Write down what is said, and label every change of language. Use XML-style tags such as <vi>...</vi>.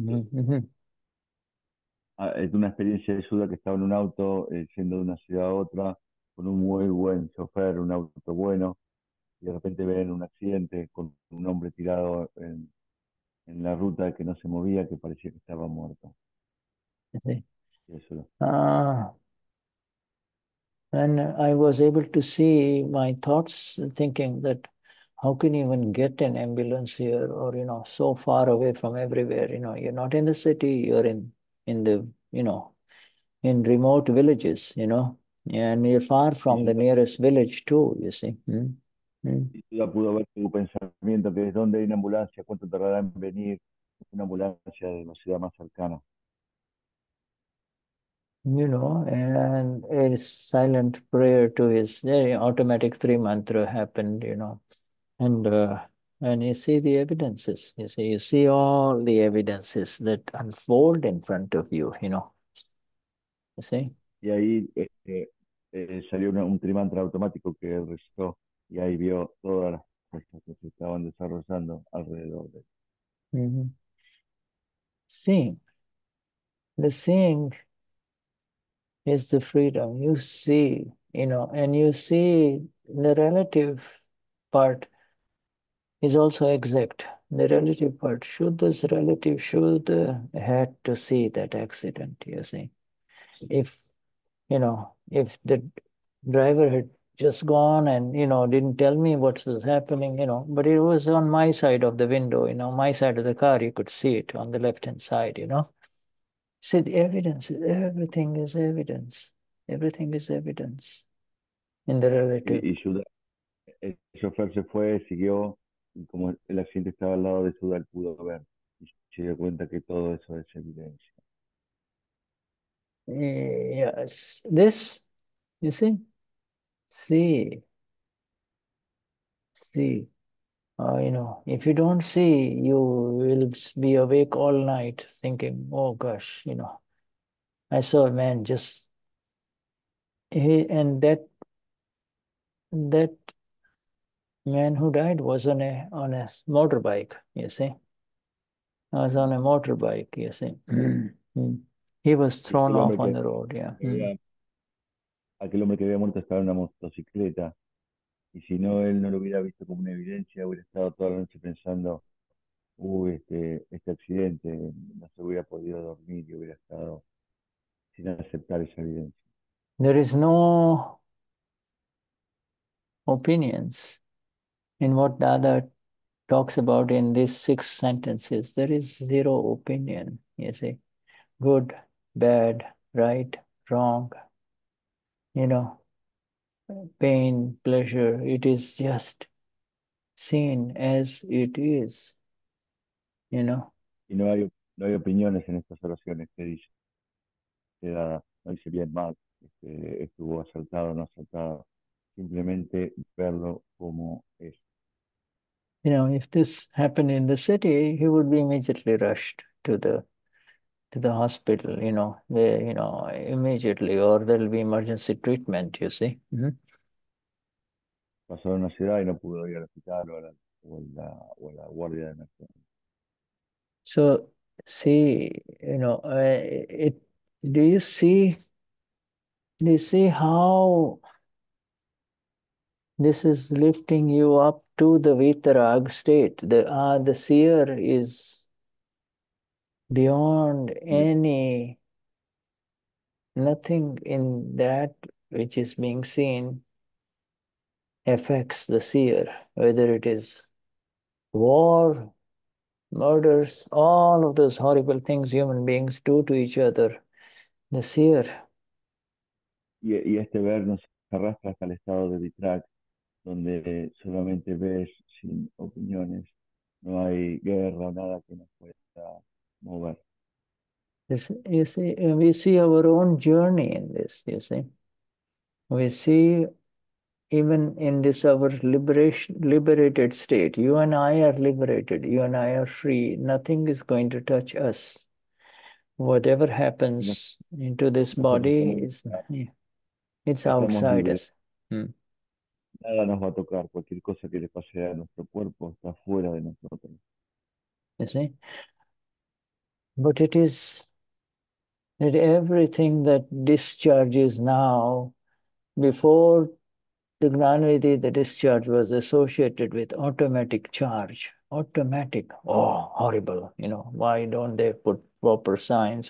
<es>Es una experiencia de Suda que estaba en un auto yendo de una ciudad a otra con un muy buen chofer, un auto bueno, y de repente ven un accidente con un hombre tirado en la ruta que no se movía, que parecía que estaba muerto. Sí. Eso.</es> <en>And I was able to see my thoughts, thinking that how can you even get an ambulance here, or, you know, so far away from everywhere, you know, you're not in the city, you're in the, you know, in remote villages, you know, and you're far from the nearest village too, you see.</en> <es>Ya pudo ver tu pensamiento, que es dónde hay una ambulancia, cuánto tardará en venir una ambulancia de la ciudad más cercana.</es> <en>You know, and a silent prayer to his automatic three mantra happened, you know, and you see the evidences, you see all the evidences that unfold in front of you, you know, you see.</en> <es>Y ahí salió un trimantra automático que él recitó, y ahí vio todas las cosas que se estaban desarrollando alrededor de él.</es> <en>Seeing. The seeing is the freedom. You see, you know, and you see the relative part is also exact. The relative part, should this relative, should the had to see that accident, you see. If, you know, if the driver had just gone and, you know, didn't tell me what was happening, you know, but it was on my side of the window, you know, my side of the car, you could see it on the left-hand side, you know. See, the evidence, everything is evidence. Everything is evidence in the relative.</en> <es>Y Suda, el chofer se fue, siguió, y como el accidente estaba al lado de Suda, él pudo ver, y se dio cuenta que todo eso es evidencia.</es> <en>Yes, this, you see, see, you know, if you don't see, you will be awake all night thinking, oh gosh, you know, I saw a man just, and that man who died was on a motorbike, you see, was on a motorbike, you see. He was thrown off on the road, yeah.</en> <es>Aquel hombre que había muerto estaba en una motocicleta, y si no, él no lo hubiera visto como una evidencia, hubiera estado toda la noche pensando, uy, este accidente, no se hubiera podido dormir y hubiera estado sin aceptar esa evidencia.</es> <en>There is no opinions in what Dada talks about in these six sentences. There is zero opinion, you see. Good, bad, right, wrong, you know, pain, pleasure, it is just seen as it is, you know.</en> <es>Y no hay opiniones en estas oraciones que dice, que da, no dice bien, mal, estuvo asaltado, no asaltado, simplemente verlo como es.</es> <en>You know, if this happened in the city, he would be immediately rushed to the hospital, you know, where, you know, immediately, or there'll be emergency treatment, you see.</en> <es>Pasó en una ciudad y no pudo ir al hospital o a la o la guardia de emergencia.</es> <en>So, see, you know, do you see how this is lifting you up to the Vitarag state? The seer is beyond any, nothing in that which is being seen affects the seer, whether it is war, murders, all of those horrible things human beings do to each other, the seer.</en> <es>Y este ver nos arrastra hasta el estado de Vitrag, donde solamente ves sin opiniones, no hay guerra, nada que nos pueda mover.</es> <en>You see, we see our own journey in this, you see. We see, even in this our liberated state, you and I are liberated, you and I are free, nothing is going to touch us. Whatever happens into this body, it's outside us.</en> <es>Nada nos va a tocar, cualquier cosa que le pase a nuestro cuerpo está fuera de nosotros.</es> <en>You see? But it is that everything that discharges now, before the Gnanavidhi, the discharge was associated with automatic charge. Automatic. Oh, horrible. You know, why don't they put proper signs?</en>